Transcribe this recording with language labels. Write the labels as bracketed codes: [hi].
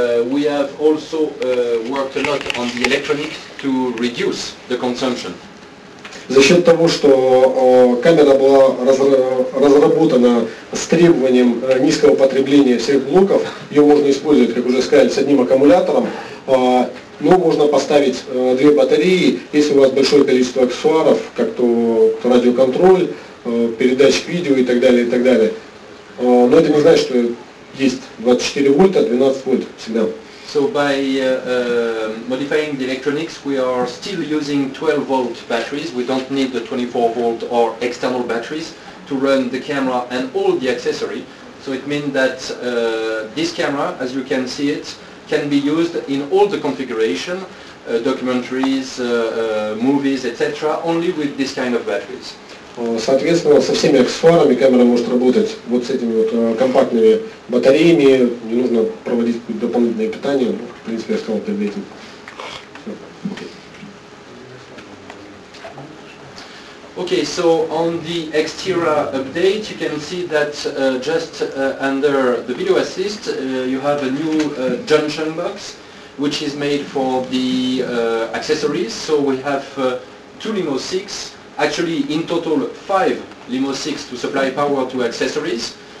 [en] We have also worked a lot on the electronics to reduce the consumption. [ru] За счет того, что камера была разработана с требованием низкого потребления всех блоков, ее можно использовать, как уже сказали, с одним аккумулятором, но можно поставить две батареи, если у вас большое количество аксессуаров, как то радиоконтроль, передатчик видео и так далее, и так далее. Но это не значит, что есть 24 вольта, 12 вольт всегда. [en] So by modifying the electronics, we are still using 12-volt batteries. We don't need the 24-volt or external batteries to run the camera and all the accessory. So it means that this camera, as you can see it, can be used in all the configuration, documentaries, movies, etc., only with this kind of batteries. [ru] Соответственно, со всеми аксессуарами камера может работать. Вот с этими вот компактными батареями не нужно проводить какое-то дополнительное питание. В принципе, я сказал перед этим. [en] Okay, so on the Xtera update, you can see that just under the video assist, you have a new junction box, which is made for the accessories. So we have two Limo 6. Actually, in total, 5 Limo 6 to supply power to accessories.